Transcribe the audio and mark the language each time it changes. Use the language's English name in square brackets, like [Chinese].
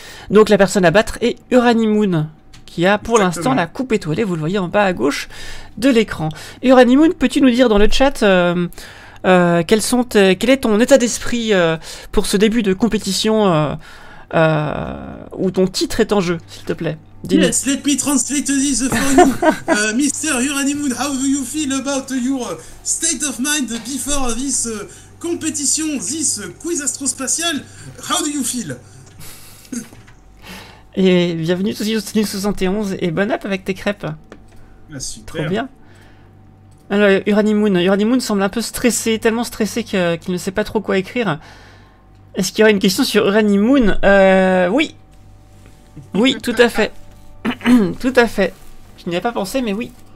[French] Donc, la personne à battre est Uranimoon, qui a pour exactement l'instant la coupe étoilée, vous le voyez en bas à gauche de l'écran. Uranimoon, peux-tu nous dire dans le chat quel est ton état d'esprit pour ce début de compétition où ton titre est en jeu, s'il te plaît? [English] Yes, let me translate this for you. Mr. Uranimoon, how do you feel about your state of mind before this competition, this quiz astrospatial? How do you feel? [French] Et bienvenue sur Tenue 71 et bon app avec tes crêpes. Ah, super. Trop bien. Alors, Uranimoon semble un peu stressé, tellement stressé qu'il ne sait pas trop quoi écrire. Est-ce qu'il y aurait une question sur Uranimoon? Oui. Oui, tout à fait. Tout à fait. Je n'y ai pas pensé, mais oui.